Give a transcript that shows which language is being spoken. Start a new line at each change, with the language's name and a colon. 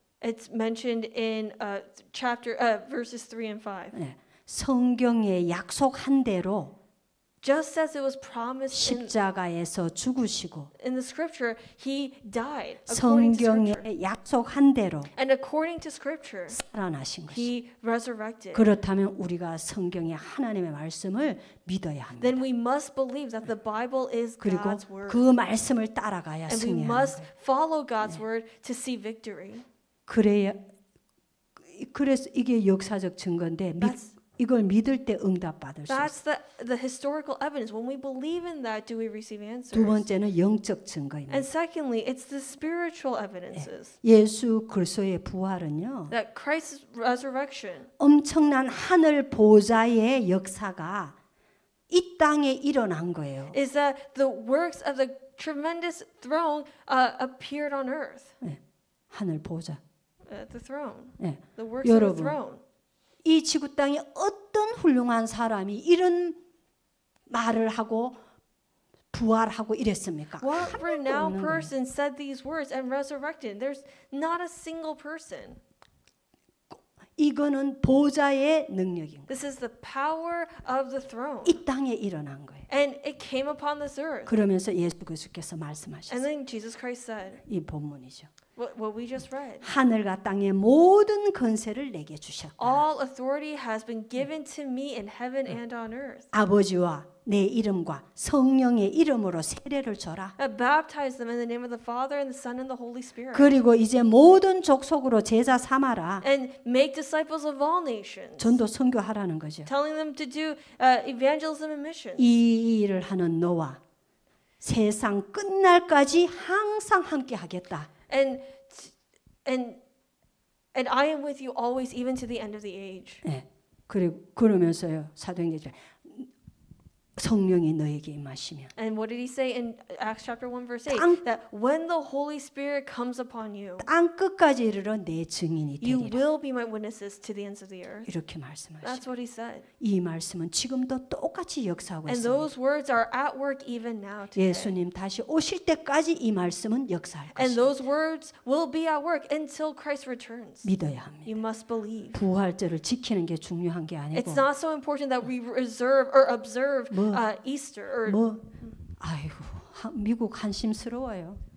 English: It's mentioned in verses 3 and 5.
Korean: 네, 성경에 약속한 대로
English: just as it was promised
Korean: 십자가에서 죽으시고
English: in the scripture he died
Korean: 성경에 약속한 대로
English: and according to scripture
Korean: 살아나신 것이
English: he resurrected.
Korean: 그렇다면 우리가 성경의 하나님의 말씀을 믿어야 합니다.
English: Then we must believe that the Bible is God's word.
Korean: 그리고 그 말씀을 따라가야
English: and
Korean: 승리하는
English: And we must follow God's
Korean: 네.
English: word to see victory.
Korean: 그래야 그래서 이게 역사적 증거인데 이걸 믿을 때 응답 받을 수 있어요.
English: That's the historical evidence. When we believe in that, do we receive answers?
Korean: 두 번째는 영적 증거입니다.
English: And secondly, it's the spiritual evidences.
Korean: 예, 예수 그리스도의 부활은요.
English: That Christ's resurrection.
Korean: 엄청난 하늘 보좌의 역사가 이 땅에 일어난 거예요.
English: Is that the works of the tremendous throne appeared on earth?
Korean: 예. 하늘 보좌.
English: The throne.
Korean: 예.
English: The works
Korean: 여러분,
English: of the throne.
Korean: 이 지구 땅에 어떤 훌륭한 사람이 이런 말을 하고 부활하고 이랬습니까?
English: What renowned person said these words and resurrected? There's not a single person.
Korean: 이거는 보좌의 능력인
English: This is the power of the throne.
Korean: 이 땅에 일어난 거예요.
English: And it came upon this earth.
Korean: 그러면서 예수께서 말씀하셨어요.
English: And then Jesus Christ said.
Korean: 이 본문이죠.
English: What we just read.
Korean: 하늘과 땅의 모든 권세를 내게 주셨다.
English: All authority has been given to me in heaven and on earth.
Korean: 아버지와 내 이름과 성령의 이름으로 세례를 줘라.
English: Baptize them in the name of the Father and the Son and the Holy Spirit.
Korean: 그리고 이제 모든 족속으로 제자 삼아라.
English: And make disciples of all nations.
Korean: 전도 선교하라는 거죠.
English: Telling them to do evangelism and missions.
Korean: 이 일을 하는 너와 세상 끝날까지 항상 함께 하겠다.
English: And I am with you always even to the end of the age.
Korean: 네. 그리고 그러면서요. 사도행전 성령이 너에게 임하시면.
English: And what did he say in Acts chapter 1 verse 8?
Korean: 땅,
English: that when the Holy Spirit comes upon you,
Korean: 땅 끝까지 이르러 내 증인이 되리라.
English: You will be my witnesses to the ends of the earth.
Korean: 이렇게 말씀하시.
English: That's what he said.
Korean: 이 말씀은 지금도 똑같이 역사하고 있습니다.
English: And those words are at work even now today.
Korean: 예수님 다시 오실 때까지 이 말씀은 역사할 것입니다.
English: And those words will be at work until Christ returns.
Korean: 믿어야 합니다.
English: You must believe.
Korean: 부활절을 지키는 게 중요한 게 아니고.
English: It's not so important that we reserve or observe.
Korean: 뭐,
English: Easter or
Korean: 뭐, 아이고 미국 한심스러워요.